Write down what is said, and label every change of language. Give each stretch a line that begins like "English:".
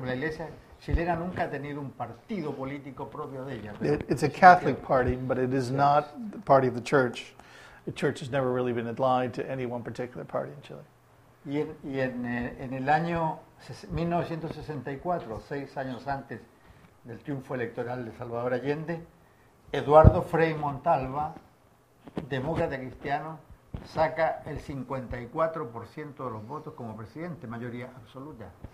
Spanish: La Iglesia chilena nunca ha tenido un partido político propio de ella.
English: It's a Catholic party, but it is not the party of the Church. The Church has never really been aligned to any one particular party in Chile.
Spanish: Y en el año 1964, seis años antes del triunfo electoral de Salvador Allende, Eduardo Frei Montalva, demócrata cristiano, saca el 54% de los votos como presidente, mayoría absoluta.